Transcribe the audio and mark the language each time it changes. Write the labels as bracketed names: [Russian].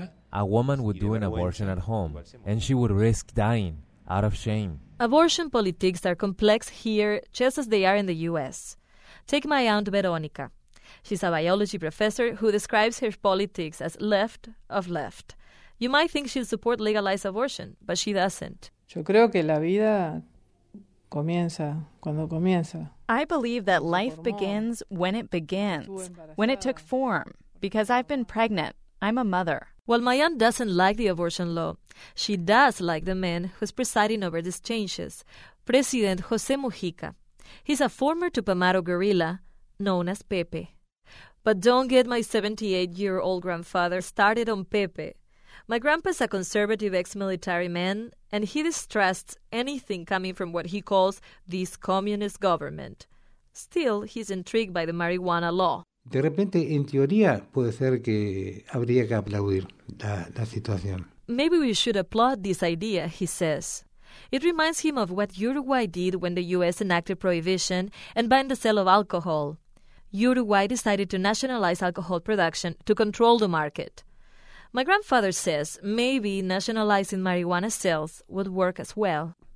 [English] A woman would do an abortion at home, and she would risk dying out of shame. Abortion politics are complex here, just as they are in the U.S. Take my aunt Veronica. She's a biology professor who describes her politics as left of left. You might think she'll support legalized abortion, but she doesn't. [Spanish] Yo creo que la vida comienza cuando comienza. [English] I believe that life begins when it begins, when it took form, because I've been pregnant. I'm a mother. While my aunt doesn't like the abortion law, she does like the man who's presiding over these changes, President José Mujica. He's a former Tupamaro guerrilla known as Pepe. But don't get my 78-year-old grandfather started on Pepe. My grandpa's a conservative ex-military man, and he distrusts anything coming from what he calls this communist government. Still, he's intrigued by the marijuana law. [Spanish] De repente, en teoría, puede ser que habría que aplaudir la situación. [English] Maybe we should applaud this idea, he says. It reminds him of what Uruguay did when the U.S. enacted prohibition and banned the sale of alcohol. Uruguay decided to nationalize alcohol production to control the market. My grandfather says maybe nationalizing marijuana sales would work as well.